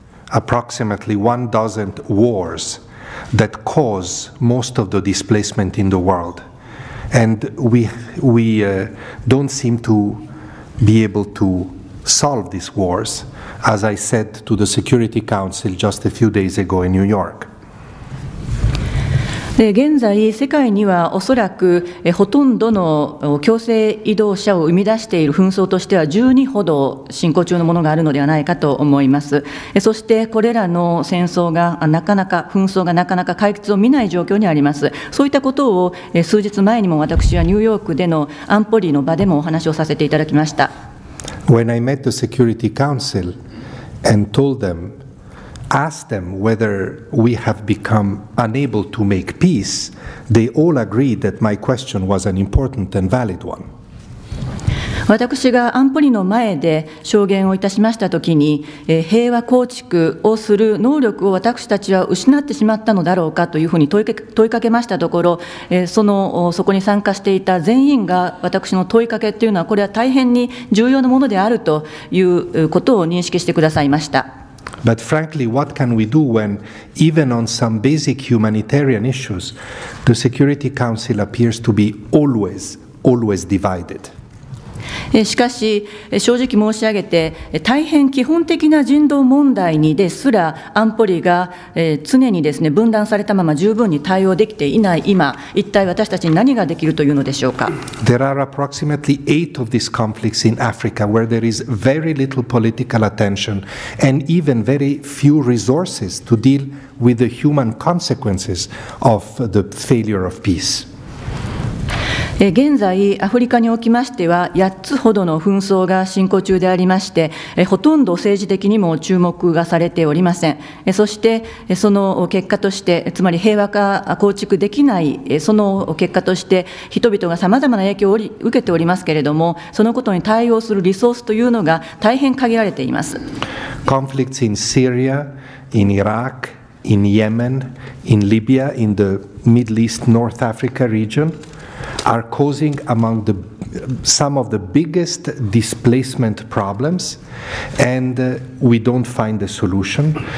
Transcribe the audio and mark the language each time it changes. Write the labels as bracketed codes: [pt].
[en] approximately one dozen wars that cause most of the displacement in the world. And we don't seem to be able to solve these wars, as I said to the Security Council just a few days ago in New York. [ja] で現在世界にはおそらくほとんどの強制移動者を生み出している紛争としては12ほど進行中のものがあるのではないかと思います。そしてこれらの戦争がなかなか紛争がなかなか解決を見ない状況にあります。そういったことを数日前にも私はニューヨークでの安保理の場でもお話をさせていただきました。 [en] When I met the Security Council and told themAsk them whether we have become unable to make peace, they all agreed that my question was an important and valid one. [ja] 私が安保理の前で証言をいたしましたときに、平和構築をする能力を私たちは失ってしまったのだろうかというふうに問いかけましたところ、そこに参加していた全員が私の問いかけというのは、これは大変に重要なものであるということを認識してくださいました。 [en] But frankly, what can we do when, even on some basic humanitarian issues, the Security Council appears to be always, always divided? [ja] しかし正直申し上げて大変基本的な人道問題にですら安保理が常にですね分断されたまま十分に対応できていない今一体私たちに何ができるというのでしょうか。 [en] There are approximately 8 of these conflicts in Africa where there is very little political attention and even very few resources to deal with the human consequences of the failure of peace. [ja] 現在アフリカにおきましては8つほどの紛争が進行中でありまして、ほとんど政治的にも注目がされておりません。そしてその結果として、つまり平和化構築できない、その結果として人々がさまざまな影響を受けておりますけれども、そのことに対応するリソースというのが大変限られています。 [en] Conflicts in Syria, in Iraq, in Yemen, in Libya, in the Middle East, North Africa region are causing among the some of the biggest displacement problems, and we don't find a solution.